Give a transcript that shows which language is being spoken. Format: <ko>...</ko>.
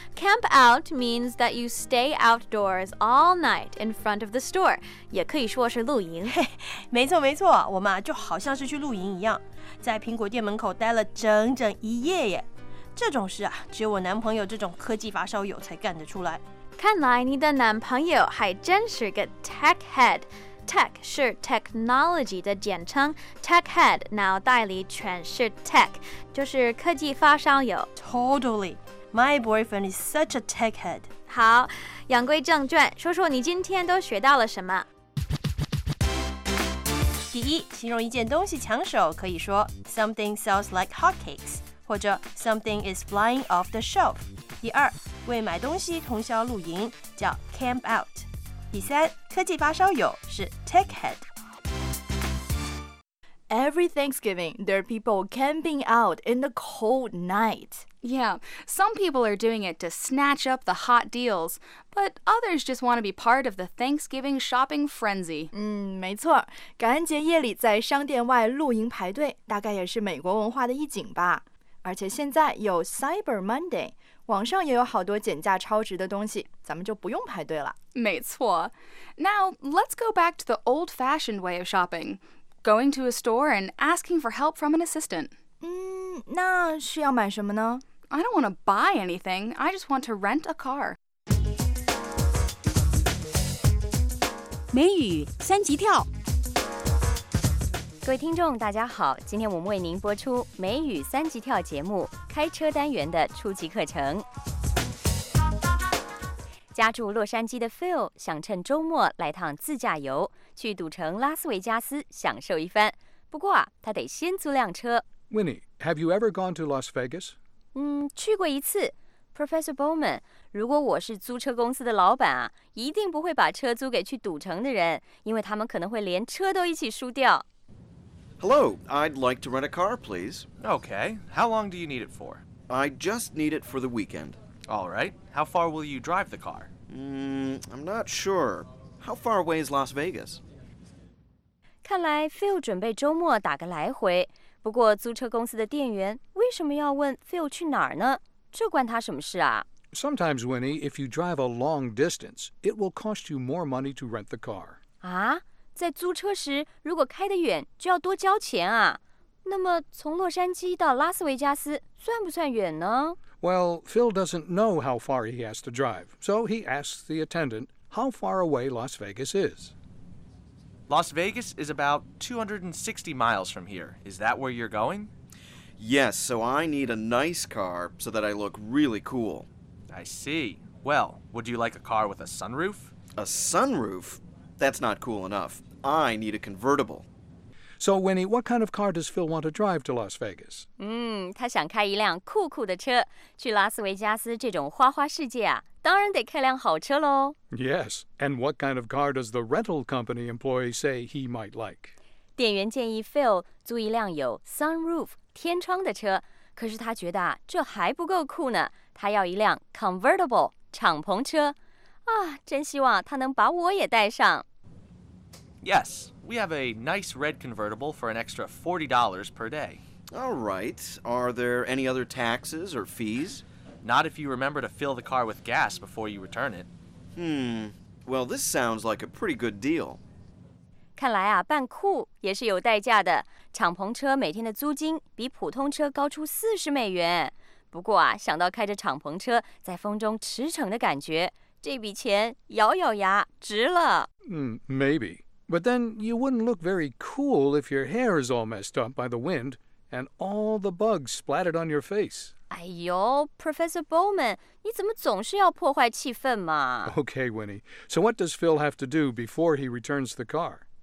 <en>Camp out means that you stay outdoors all night in front of the store.</en> <zh>也可以说是露营。没错没错，我们啊就好像是去露营一样，在苹果店门口待了整整一夜耶。这种事啊，只有我男朋友这种科技发烧友才干得出来。看来你的男朋友还真是个 tech head. Tech 是 technology 的简称 ，tech head 脑袋里全是 tech， 就是科技发烧友。</zh> <en>Totally, my boyfriend is such a tech head.</en> <zh>好，言归正传，说说你今天都学到了什么？第一，形容一件东西抢手，可以说</zh> <en>something sells like hotcakes，</en> <zh>或者</zh> <en>something is flying off the shelf。</en> <zh>第二。为买东西通宵露营叫 camp out。第三，科技发烧友是 tech head。</zh> <en>Every Thanksgiving, there are people camping out in the cold night. Yeah, some people are doing it to snatch up the hot deals, but others just want to be part of the Thanksgiving shopping frenzy.</en> <zh>没错，感恩节夜里在商店外露营排队，大概也是美国文化的一景吧。而且现在有 Cyber Monday。网上也有好多减价超值的东西，咱们就不用排队了。没错。</zh> <en>Now, let's go back to the old-fashioned way of shopping. Going to a store and asking for help from an assistant.</en> <zh>那是要买什么呢？</zh> <en>I don't want to buy anything. I just want to rent a car.</en> <zh>美语三级跳。各位听众大家好，今天我们为您播出美语三级跳节目开车单元的初级课程。家住洛杉矶的 Phil 想趁周末来趟自驾游，去赌城拉斯维加斯享受一番，不过他得先租辆车。</zh> <en>Winnie, have you ever gone to Las Vegas?</en> <zh>去过一次。Professor Bowman, 如果我是租车公司的老板啊，一定不会把车租给去赌城的人，因为他们可能会连车都一起输掉。</zh> <en>Hello, I'd like to rent a car, please. Okay, how long do you need it for? I just need it for the weekend. All right, how far will you drive the car? I'm not sure. How far away is Las Vegas?</en> <zh>看来 Phil 准备周末打个来回，不过租车公司的店员为什么要问 Phil 去哪儿呢？这关他什么事啊？</zh> <en>Sometimes, Winnie, if you drive a long distance, it will cost you more money to rent the car.</en> <zh>啊？在租车时，如果开得远，就要多交钱啊。那么，从洛杉矶到拉斯维加斯算不算远呢？</zh> <en>Well, Phil doesn't know how far he has to drive, so he asks the attendant how far away Las Vegas is. Las Vegas is about 260 miles from here. Is that where you're going? Yes, so I need a nice car so that I look really cool. I see. Well, would you like a car with a sunroof? A sunroof? That's not cool enough. I need a convertible. So, Winnie, what kind of car does Phil want to drive to Las Vegas?</en> <zh>他想开一辆酷酷的车。去拉斯维加斯这种花花世界啊，当然得开辆好车咯。</zh> <en>Yes, and what kind of car does the rental company employee say he might like?</en> <zh>店员建议 Phil 租一辆有 sunroof, 天窗的车。可是他觉得啊，这还不够酷呢。他要一辆 convertible, 敞篷车。啊，真希望他能把我也带上。</zh> <en>Yes, we have a nice red convertible for an extra $40 per day. All right, are there any other taxes or fees? Not if you remember to fill the car with gas before you return it. Well, this sounds like a pretty good deal.</en> <zh>看来啊，办库也是有代价的。敞篷车每天的租金比普通车高出40美元。不过啊，想到开着敞篷车在风中驰骋的感觉，这笔钱咬咬牙值了。</zh> <en>Maybe. But then you wouldn't look very cool if your hair is all messed up by the wind and all the bugs splattered on your face.</en> <zh>哎呦 ,Professor Bowman, 你怎么总是要破坏气氛嘛</zh> <en>?Okay, Winnie. So what does Phil have to do before he returns the car?</en>